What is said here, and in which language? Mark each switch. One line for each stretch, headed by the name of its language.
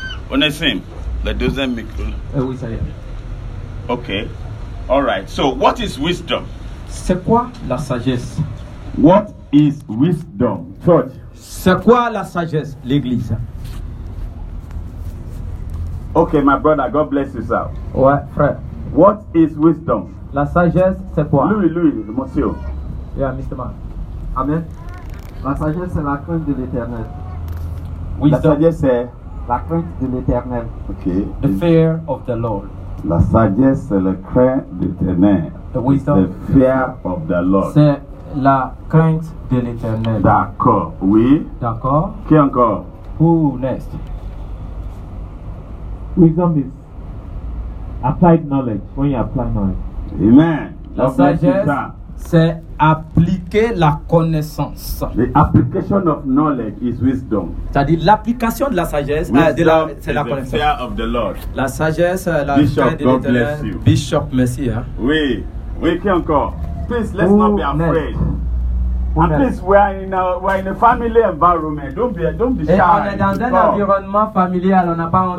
French: Onésime, le deuxième micro. Oui, ça y est.
English: Okay. All right. So, what is wisdom?
French: C'est quoi la sagesse?
English: What is wisdom? Church.
French: C'est quoi la sagesse? L'église.
English: Okay, my brother, God bless you, sir.
French: Ouais, frère.
English: What is wisdom?
French: La sagesse, c'est quoi? Louis, monsieur.
English: Yeah, Mr. Man. Amen.
French: La sagesse, c'est la crainte de l'éternel. Wisdom. La sagesse, c'est la crainte de l'éternel.
English: Okay. The fear of the Lord.
French: La sagesse, c'est la crainte de l'éternel.
English: The wisdom. The fear of the Lord.
French: C'est la crainte de l'éternel. D'accord, oui. D'accord. Qui encore?
English: Who next? Wisdom is applied knowledge. When you apply knowledge. Amen.
French: La sagesse, c'est appliquer la connaissance.
English: The application of knowledge is wisdom.
French: C'est-à-dire l'application de la sagesse, c'est la connaissance.
English: Fear of the Lord.
French: La sagesse, la
English: Bishop, God bless you.
French: Bishop, merci. Hein? Oui. Oui, qui encore?
English: Please, let's Who not be afraid. Next? And please, we are in a family environment. Don't be shy.
French: On est dans un environnement familial, on n'a pas honte.